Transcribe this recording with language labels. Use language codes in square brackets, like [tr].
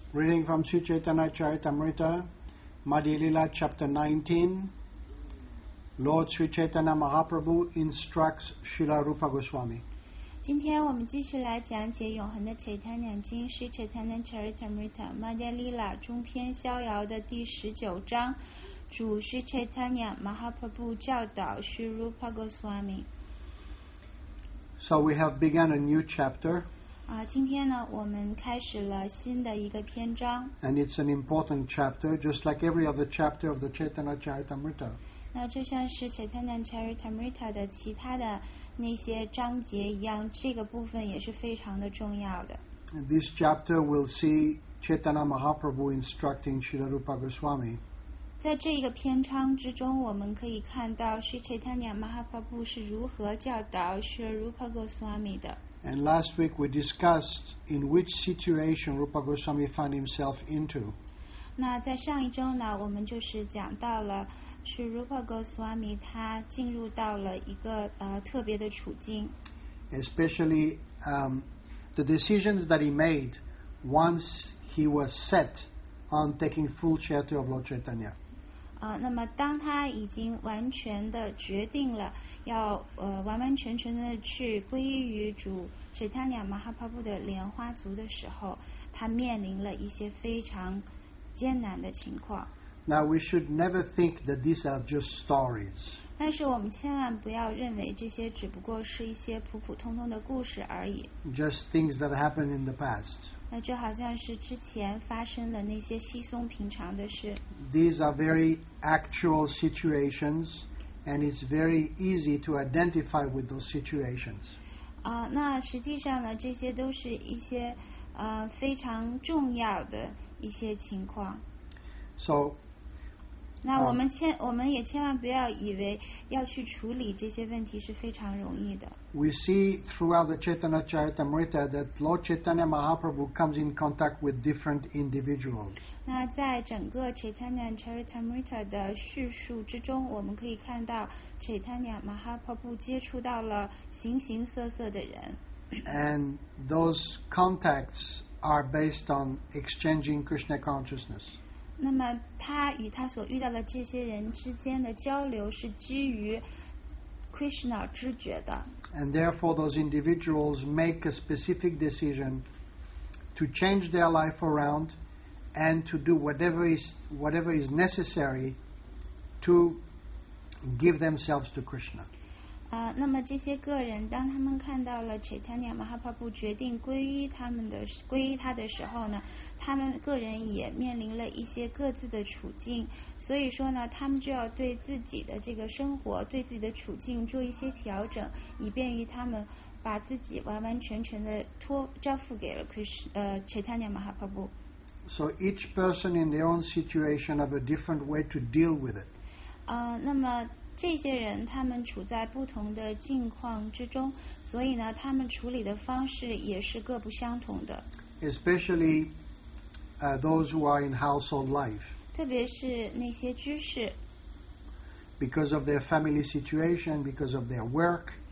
[en] Reading from Sri Chaitanya Charitamrita Madhilila Chapter 19, Lord Sri Chaitanya Mahaprabhu instructs Srila Rupa Goswami. [zh] 今天我们继续来讲解《永恒的切坦念经》是 Chaitanya Charitamrita Madhilila 中篇逍遥的第十九章，主 Sri Chaitanya Mahaprabhu 教导 Sri Rupa Goswami. [en] So we have begun a new chapter. [zh] 今天呢，我们开始了新的一个篇章。 [en] And it's an important chapter, just like every other chapter of the Chaitanya Charitamrita. [zh] 那就像是 Chaitanya Charitamrita 的其他的那些章节一样，这个部分也是非常的重要的。 [en] And this chapter will see Chaitanya Mahaprabhu instructing Srila Rupa Goswami. [zh] 在这个篇章之中，我们可以看到是 Chaitanya Mahaprabhu 是如何教导 Srila Rupa Goswami 的。 [en] And last week we discussed in which situation Rupa Goswami found himself into. [zh] 那在上一周呢，我们就是讲到了是 Rupa Goswami 他进入到了一个特别的处境。 [en] Especially the decisions that he made once he was set on taking full shelter of Lord Chaitanya. [zh] 那么当他已经完全的决定了要完完全全的去皈依于主 Chaitanya Mahaprabhu 的莲花族的时候，他面临了一些非常艰难的情况。 [en] Now we should never think that these are just stories. [zh] 但是我们千万不要认为这些只不过是一些普普通通的故事而已。 [en] Just things that happened in the past. [zh] 那就好像是之前发生的那些稀松平常的事。 [en] These are very actual situations, and it's very easy to identify with those situations. [zh] 那实际上呢，这些都是一些非常重要的一些情况。 [en] So. [zh] 那我们也千万不要以为要去处理这些问题是非常容易的。 [en] We see throughout the Chaitanya Charitamrita that Lord Chaitanya Mahaprabhu comes in contact with different individuals. [zh] 那在整个 Chaitanya Charitamrita 的叙述之中，我们可以看到 Chaitanya Mahaprabhu 接触到了形形色色的人。 [en] And those contacts are based on exchanging Krishna consciousness. [zh] 那么他与他所遇到的这些人之间的交流是基于 Krishna 知觉的。 [en] And therefore those individuals make a specific decision to change their life around and to do whatever is necessary to give themselves to Krishna. [zh] 那么这些个人当他们看到了 Chaitanya Mahaprabhu 决定皈依他的时候呢，他们个人也面临了一些各自的处境，所以说呢，他们就要对自己的这个生活，对自己的处境做一些调整，以便于他们把自己完完全全的交付给了 Chaitanya Mahaprabhu. [en] So each person in their own situation have a different way to deal with it. [zh] 那么这些人他们处在不同的境况之中，所以呢，他们处理的方式也是各不相同的。 [en] Especially, those who are in household life. [zh] 特别是那些居士。 [en] Because of their family situation, because of their work.